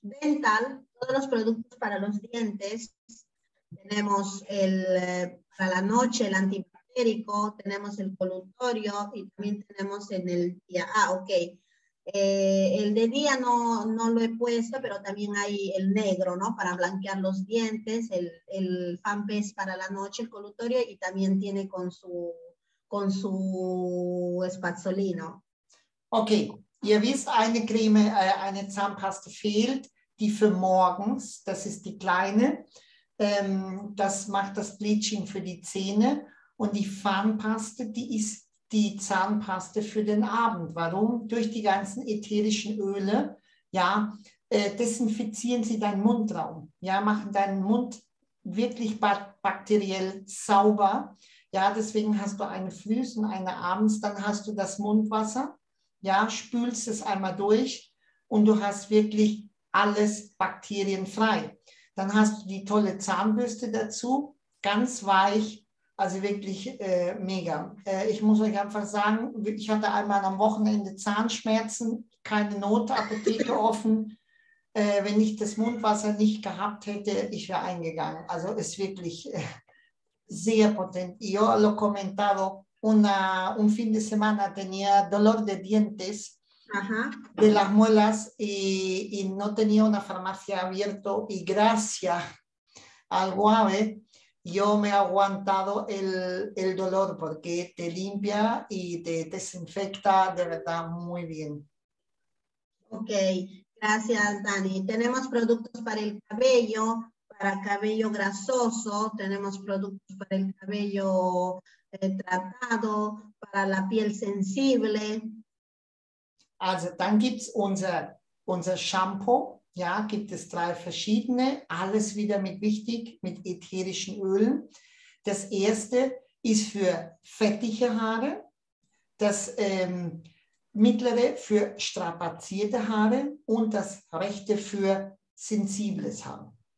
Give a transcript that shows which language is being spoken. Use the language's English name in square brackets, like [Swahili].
[Spanish] Dental, todos los productos para los dientes. Tenemos el para la noche el antibacterico, tenemos el colutorio y también tenemos en el día. Ah, okay. El de día no lo he puesto, pero también hay el negro, ¿no? Para blanquear los dientes, el Fampes para la noche, el colutorio y también tiene con su espazzolino. [German] Okay, ihr wisst, eine Creme, eine Zahnpaste fehlt, die für morgens, das ist die kleine, das macht das Bleaching für die Zähne und die Zahnpaste, die ist die Zahnpaste für den Abend. Warum? Durch die ganzen ätherischen Öle, ja, desinfizieren sie deinen Mundraum, ja, machen deinen Mund wirklich bakteriell sauber, ja, deswegen hast du eine früh und eine abends, dann hast du das Mundwasser. Ja, spülst es einmal durch und du hast wirklich alles bakterienfrei. Dann hast du die tolle Zahnbürste dazu, ganz weich, also wirklich mega. Ich muss euch einfach sagen, ich hatte einmal am Wochenende Zahnschmerzen, keine Notapotheke offen. Wenn ich das Mundwasser nicht gehabt hätte, ich wäre eingegangen. Also ist wirklich sehr potent. [Spanish] Yo lo comentado. Un fin de semana tenía dolor de dientes, ajá, de las muelas y no tenía una farmacia abierta. Y gracias al Guave, yo me he aguantado el dolor porque te limpia y te desinfecta de verdad muy bien. Ok, gracias Dani. Tenemos productos para el cabello. Para cabello grasoso, tenemos productos para el cabello tratado, para la piel sensible. [German] Also, dann gibt es unser Shampoo, ja, gibt es drei verschiedene, alles wieder mit wichtig, mit ätherischen Ölen. Das erste ist für fettige Haare, das mittlere für strapazierte Haare und das rechte für sensibles Haar.